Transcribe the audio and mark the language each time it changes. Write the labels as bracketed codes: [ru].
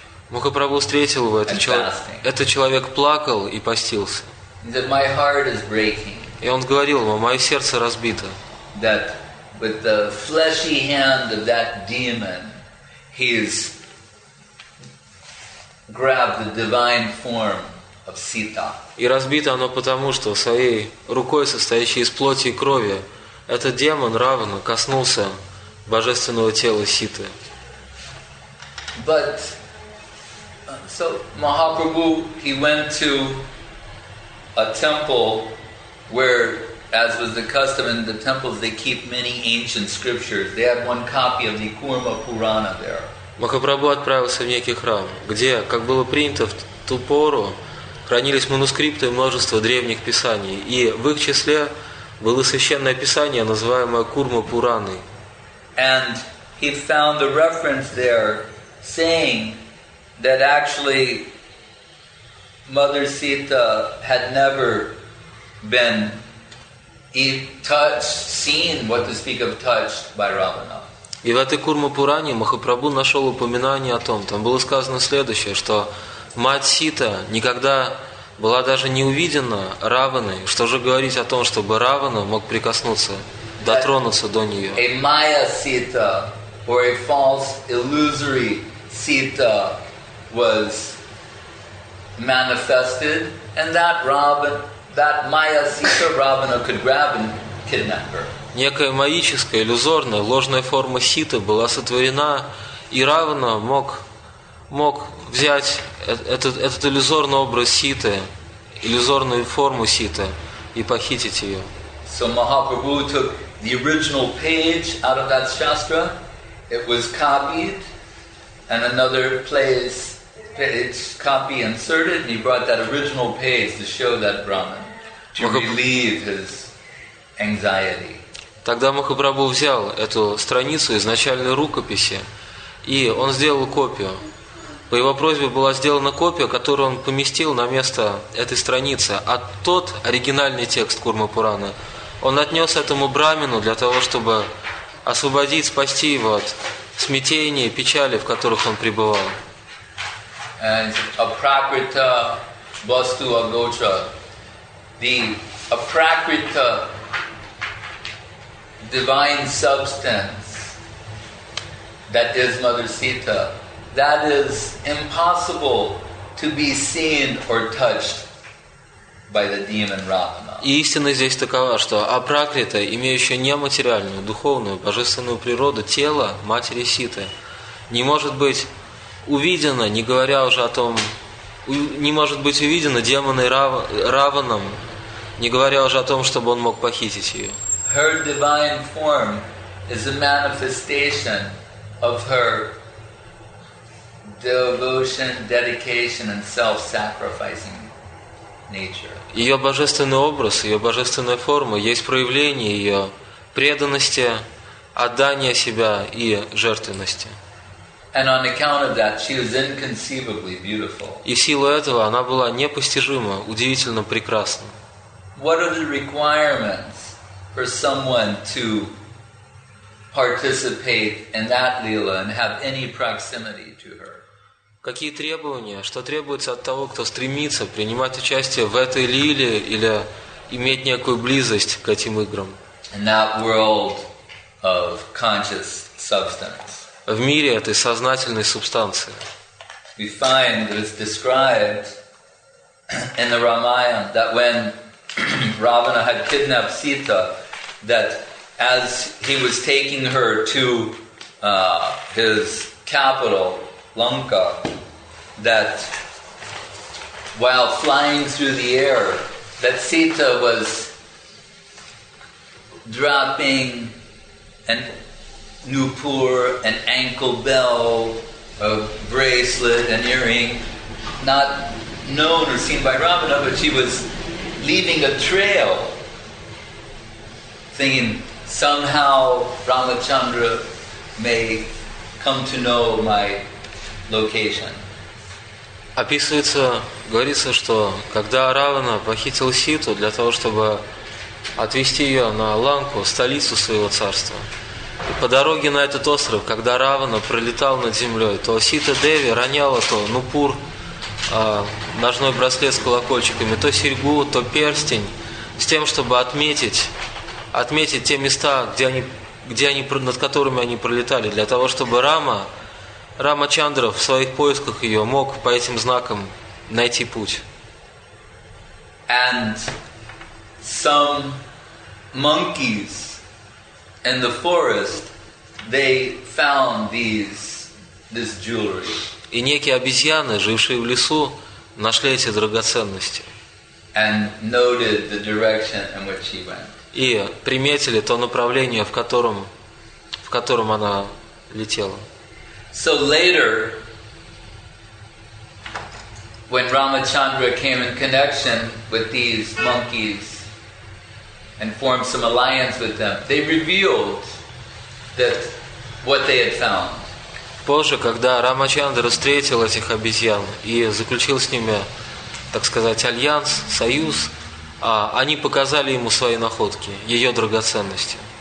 [ru] Махапрабху встретил его, этот человек плакал и постился. [en] He said, my heart is breaking. [ru] И он говорил ему, мое сердце разбито. [en] That with the fleshy hand of that demon, he's grabbed the divine form of Sita. [ru] И разбито оно потому, что своей рукой, состоящей из плоти и крови, этот демон Равана коснулся божественного тела Ситы. [en] But so Mahaprabhu, he went to a temple where, as was the custom in the temples, they keep many ancient scriptures. They had one copy of the Kurma Purana there. [ru] Махапрабху отправился в некий храм, где, как было принято в ту пору, хранились манускрипты множества древних писаний, и в их числе было священное писание, называемое Курма Пураны. [en] And he found a reference there saying that actually Mother Sita had never been touched, seen, what to speak of, touched by Ravana. [ru] И в этой Курма-Пуране Махапрабху нашел упоминание о том, там было сказано следующее, что мать Сита никогда была даже не увидена Раваной, что же говорить о том, чтобы Равана мог прикоснуться, дотронуться до нее. [en] A Maya Sita or a false illusory Sita was manifested, and that Ravana, that Maya Sita Ravana could grab and kidnap her. [ru] Некая магическая, иллюзорная, ложная форма Ситы была сотворена, и Равана мог взять этот иллюзорный образ Ситы, иллюзорную форму Ситы, и похитить ее. [en] So Mahaprabhu took the original page out of that shastra. It was copied, and another page copy inserted, and he brought that original page to show that Brahman, relieve his anxiety. [ru] Тогда Махапрабху взял эту страницу изначальной рукописи, и он сделал копию. По его просьбе была сделана копия, которую он поместил на место этой страницы. А тот оригинальный текст Курма Пурана он отнес этому брамину для того, чтобы освободить, спасти его от смятения, печали, в которых он пребывал. [sa] And Aprakrita Vastu Agocha. [en] The Aprakrita divine substance that is Mother Sita, that is impossible to be seen or touched by the demon Ravana. [ru] И истина здесь такова, что апракрита, имеющая нематериальную, духовную, божественную природу, тело матери Ситы, не может быть увидена, не говоря уже о том, не может быть увидена демоном Раваном, не говоря уже о том, чтобы он мог похитить ее. [en] Her divine form is a manifestation of her devotion, dedication, and self-sacrificing nature. [ru] Ее божественный образ, ее божественная форма есть проявление ее преданности, отдания себя и жертвенности. [en] And on account of that, she was inconceivably beautiful. [ru] И в силу этого она была непостижимо, удивительно прекрасна. [en] What are the requirements for someone to participate in that lila and have any proximity to her? [ru] Какие требования, что требуется от того, кто стремится принимать участие в этой лиле или иметь некую близость к этим играм? [en] In that world of conscious substance. [ru] В мире этой сознательной субстанции. [en] We find that it's described in the Ramayana that when Ravana had kidnapped Sita, that as he was taking her to his capital, Lanka, that while flying through the air, that Sita was dropping an nupur, an ankle bell, a bracelet, an earring, not known or seen by Ravana, but she was leaving a trail, thinking somehow Ramachandra may come to know my location. [ru] Описывается, говорится, что когда Равана похитил Ситу для того, чтобы отвезти ее на Ланку, столицу своего царства, и по дороге на этот остров, когда Равана пролетал над землей, то Сита Деви роняла то нупур, ножной браслет с колокольчиками, то серьгу, то перстень, с тем, чтобы отметить те места, где они, над которыми они пролетали, для того, чтобы Рама Чандра в своих поисках ее мог по этим знакам найти путь. [en] And some monkeys in the forest, they found this jewelry. [ru] И некие обезьяны, жившие в лесу, нашли эти драгоценности. [en] And noted the direction in which she went. [ru] И приметили то направление, в котором она летела. [en] So later, when Ramachandra came in connection with these monkeys and formed some alliance with them, they revealed that what they had found. [ru] Позже, когда Рамачандра встретил этих обезьян и заключил с ними, так сказать, альянс, союз, они показали ему свои находки, ее драгоценности.